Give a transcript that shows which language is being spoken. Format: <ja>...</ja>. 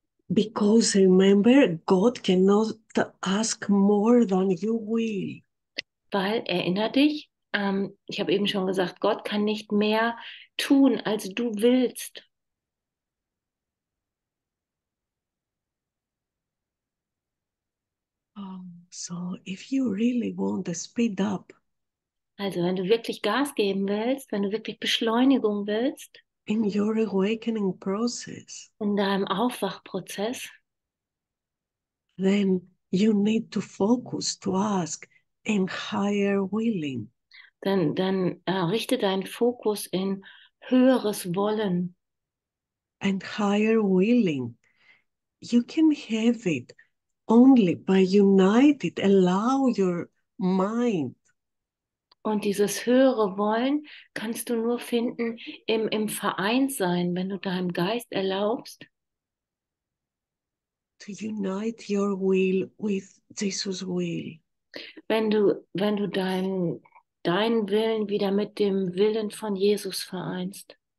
<en>Because remember, God cannot ask more than you will.</en> <de>Weil erinner dich, Ich habe eben schon gesagt, Gott kann nicht mehr tun, als du willst.</de> <en>So, if you really want to speed up,</en> <de>Also, wenn du wirklich Gas geben willst, wenn du wirklich Beschleunigung willst,</de> <en>in your awakening process,</en> <de>in deinem Aufwachprozess,</de> <en>then you need to focus to ask in higher willing.</en> <de>Dann richte deinen Fokus in höheres Wollen.</de> <en>And higher willing. You can have it only by united, allow your mind.</en> <de>Und dieses höhere Wollen kannst du nur finden im Vereinssein, wenn du deinem Geist erlaubst,</de> <en>To unite your will with Jesus' will.</en> <de>wenn du deinen Willen wieder mit dem Willen von Jesus vereinst.</de>